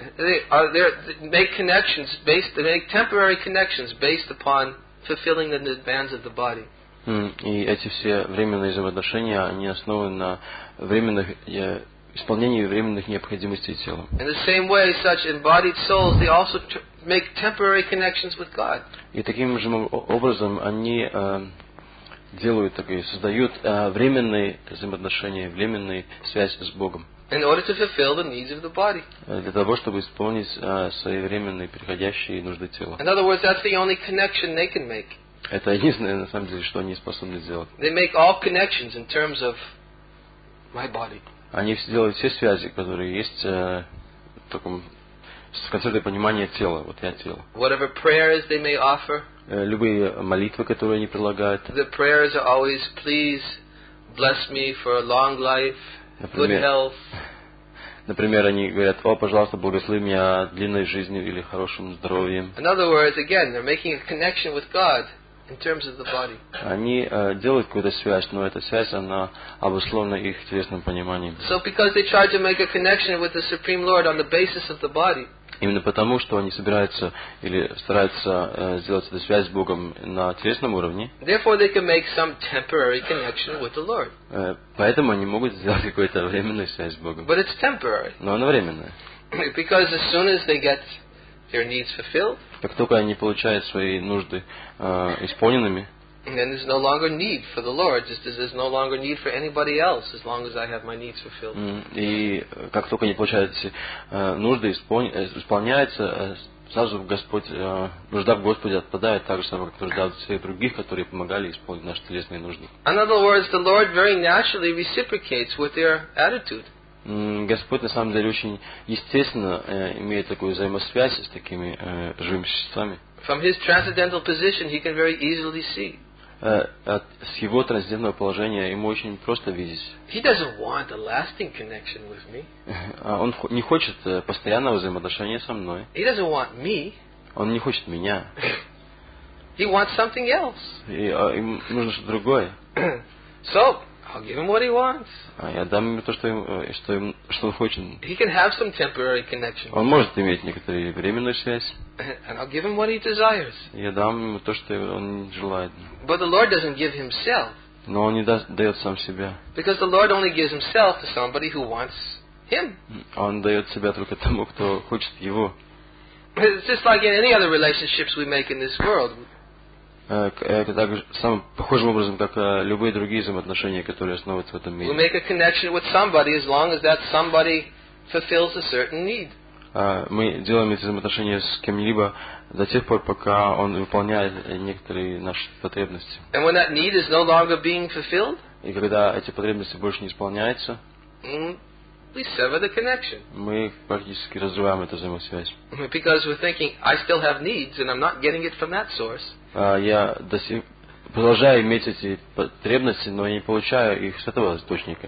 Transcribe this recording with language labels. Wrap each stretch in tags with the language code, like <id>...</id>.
<en>They make temporary connections based upon fulfilling the demands of the body.</en> <ru>И эти все временные взаимоотношения, они основаны на временных исполнении временных необходимостей тела.</ru> <en>In the same way, such embodied souls, they also make temporary connections with God.</en> <ru>И таким же образом они делают такие, создают временные взаимоотношения, временную связь с Богом.</ru> <en>In order to fulfill the needs of the body.</en> <ru>Для того, чтобы исполнить своевременные приходящие нужды тела.</ru> <en>In other words, that's the only connection they can make.</en> <ru>Это единственное, на самом деле, что они способны сделать.</ru> <en>They make all connections in terms of my body.</en> <ru>Они делают все связи, которые есть в таком концепции понимания тела. Вот я тело.</ru> <en>Whatever prayers they may offer.</en> <ru>Любые молитвы, которые они предлагают.</ru> <en>The prayers are always, please bless me for a long life. Good health.</en> <ru>Например, они говорят: «О, пожалуйста, благослови меня длинной жизнью или хорошим здоровьем».</ru> <en>In other words, again, they're making a connection with God in terms of the body.</en> <ru>Они делают какую-то связь, но эта связь она обусловлена их телесным пониманием.</ru> <en>So because they try to make a connection with the Supreme Lord on the basis of the body.</en> <ru>Именно потому, что они собираются или стараются сделать эту связь с Богом на телесном уровне.</ru> <en>Therefore, they can make some temporary connection with the Lord.</en> <ru>Поэтому они могут сделать какую-то временную связь с Богом.</ru> <en>But it's temporary.</en> <ru>Но она временная.</ru> <en>Because as soon as they get their needs fulfilled.</en> <ru>Как только они получают свои нужды исполненными.</ru> <en>Then there's no longer need for the Lord, just as there's no longer need for anybody else, as long as I have my needs fulfilled.</en> <ru>И как только не получается нужды исполняется, сразу Господь нужда в Господе отпадает, так же самое как нужда всех других, которые помогали исполнить наши телесные нужды.</ru> <en>In other words, the Lord very naturally reciprocates with their attitude.</en> <ru>Господь на самом деле очень естественно имеет такую взаимосвязь с такими живыми существами.</ru> <en>From his transcendental position, he can very easily see.</en> <ru>С его трансцендентного положения ему очень просто видеть.</ru> <en>He doesn't want a lasting connection with me.</en> <ru>Он не хочет постоянного взаимоотношения со мной.</ru> <en>He doesn't want me.</en> <ru>Он не хочет меня.</ru> <en>He wants something else.</en> <ru>Ему нужно что-то другое.</ru> <en>So, I'll give him what he wants.</en> <ru>Я дам ему то, что он хочет.</ru> <en>He can have some temporary connection.</en> <ru>Он может иметь некоторую временную связь.</ru> <en>And I'll give him what he desires.</en> <ru>Я дам ему то, что он желает.</ru> <en>But the Lord doesn't give himself.</en> <ru>Но он не дает сам себя.</ru> <en>Because the Lord only gives himself to somebody who wants him.</en> <ru>Он дает себя только тому, кто хочет его.</ru> <en>It's just like in any other relationships we make in this world.</en> <ru>Так самым похожим образом, как любые другие взаимоотношения, которые основываются в этом мире.</ru> <en>We make a connection with somebody as long as that somebody fulfills a certain need.</en> <ru>Мы делаем эти взаимоотношения с кем-либо до тех пор, пока он выполняет некоторые наши потребности.</ru> <en>And when that need is no longer being fulfilled?</en> <ru>И когда эти потребности больше не исполняются?</ru> <en>We sever the connection.</en> <ru>Мы практически разрываем эту взаимосвязь.</ru> <en>Because we're thinking, I still have needs, and I'm not getting it from that source.</en> <ru>Я до сих продолжаю иметь эти потребности, но я не получаю их с этого источника.</ru>